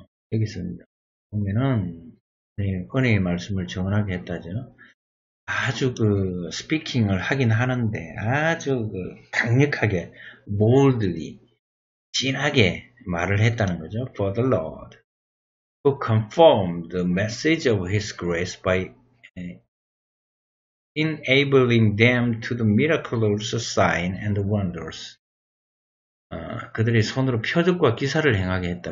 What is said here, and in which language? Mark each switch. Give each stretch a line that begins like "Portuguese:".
Korean: 여기서 보면은, 은혜의 말씀을 증언하게 했다죠. 아주 그 스피킹을 하긴 하는데 아주 그 강력하게 boldly 진하게 말을 했다는 거죠.
English: For the Lord who confirmed the message of his grace by enabling them to the miraculous sign and the wonders.
Korean: 그들이 손으로 표적과 기사를 행하게 했다.